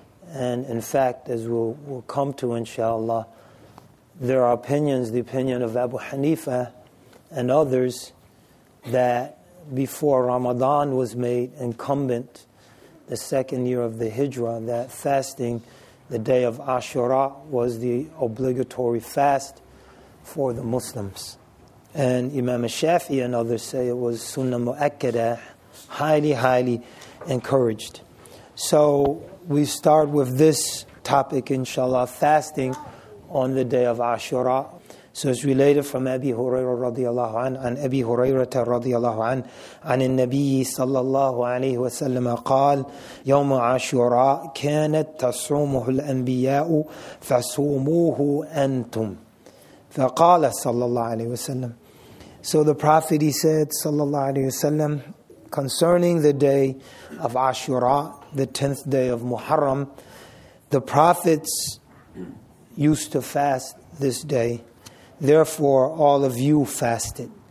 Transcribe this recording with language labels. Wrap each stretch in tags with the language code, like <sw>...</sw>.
<en>And in fact, as we'll come to inshallah, there are opinions, the opinion of Abu Hanifa and others, that before Ramadan was made incumbent, the second year of the Hijrah, that fasting, the day of Ashura, was the obligatory fast for the Muslims. And Imam Shafi'i and others say it was Sunnah Mu'akkadah, highly, highly encouraged. So we start with this topic, inshallah, fasting on the day of Ashura. So it's related from Abi Hurairah radiallahu anhu,</en> <ar>and Abi Hurairah radiallahu anhu, عن النبي صلى الله عليه وسلم قال يوم عاشوراء كانت تصومه الأنبياء فصوموه أنتم فقال صلى الله عليه وسلم.</ar> <en>So the Prophet, he said</en> <ar>صلى الله عليه وسلم,</ar> <en>concerning the day of Ashura, the 10th day of Muharram, the Prophets used to fast this day, therefore all of you fasted.</en>